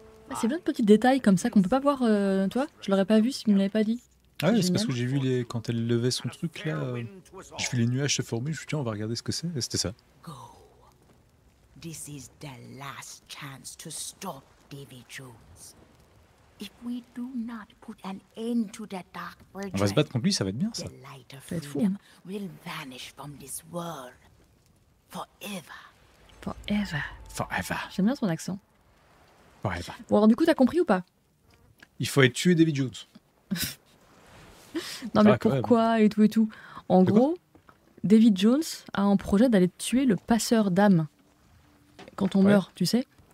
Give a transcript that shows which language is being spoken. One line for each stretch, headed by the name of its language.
French: Ah, c'est plein de petits détails comme ça qu'on peut pas voir, toi. Je l'aurais pas vu si tu me l'avais pas dit. Ah ouais, c'est parce que j'ai vu les... quand elle levait son truc là. J'ai vu les nuages se former. Je me suis dit, on va regarder ce que c'est. Et c'était ça.
English: This is the last chance to stop David Jones. If we do not put an end to the dark world,
French: on va se battre contre lui, ça va être bien ça.
English: The light of freedom will vanish from this world forever. Forever. Forever.
French: J'aime bien son accent.
English: Forever.
French: Bon, alors, du coup, t'as compris ou pas? Il faut être tué David Jones. Non, mais pourquoi et tout et tout. En gros, David Jones a un projet d'aller tuer le passeur d'âme. Quand on meurt, tu sais.